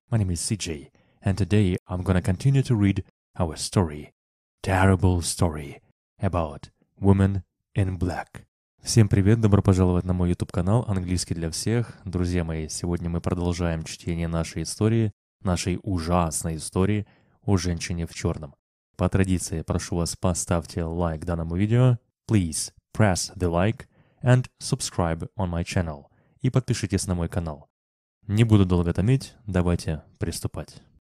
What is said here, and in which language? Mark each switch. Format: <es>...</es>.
<en>My name is CJ, and today I'm gonna continue to read our story, terrible story, about women in black.</en> <ru>Всем привет, добро пожаловать на мой YouTube канал «Английский для всех». Друзья мои, сегодня мы продолжаем чтение нашей истории, нашей ужасной истории о женщине в черном. По традиции, прошу вас, поставьте лайк данному видео.</ru> <en>Please press the like and subscribe on my channel.</en> <ru>И подпишитесь на мой канал. Не буду долго томить, давайте приступать.</ru>